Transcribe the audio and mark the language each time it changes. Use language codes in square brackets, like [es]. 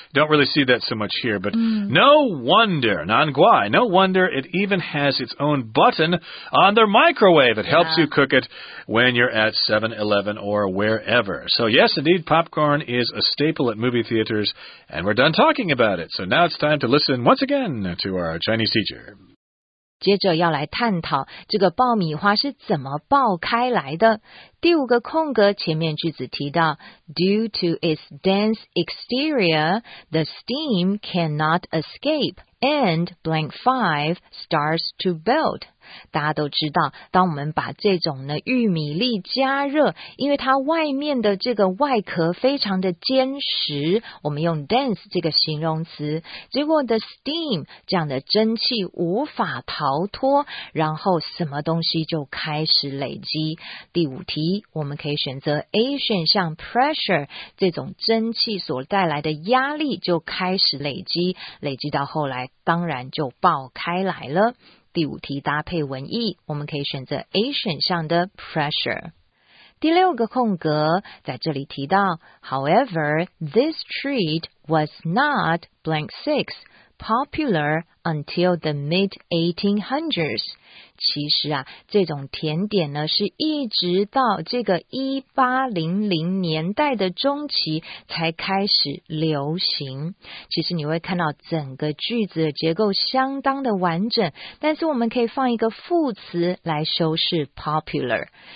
[en] Don't really see that so much here, but no wonder, Nan Guai, no wonder it even has its own button on their microwave. It helps you cook it when you're at 7-Eleven or wherever. So yes, indeed, popcorn is a staple at movie theaters, and we're done talking about it. So now it's time to listen once again to our Chinese teacher. [zh] 接着要来探讨这个爆米花是怎么爆开来的。第五个空格前面句子提到 , [en] due to its dense exterior, the steam cannot escape, and blank five starts to build. [zh] 大家都知道，当我们把这种呢玉米粒加热，因为它外面的这个外壳非常的坚实，我们用 dense 这个形容词，结果 the steam 这样的蒸汽无法逃脱，然后什么东西就开始累积。第五题，我们可以选择 A 选项 pressure， 这种蒸汽所带来的压力就开始累积，累积到后来当然就爆开来了。第五题搭配文意，我们可以选择 A 选项的 pressure。第六个空格在这里提到 , [en] however, this treat was not blank six, popular until the mid-1800s. [zh] 其实啊这种甜点呢是一直到这个1800年代的中期才开始流行。其实你会看到整个句子的结构相当的完整，但是我们可以放一个副词来修饰 popular。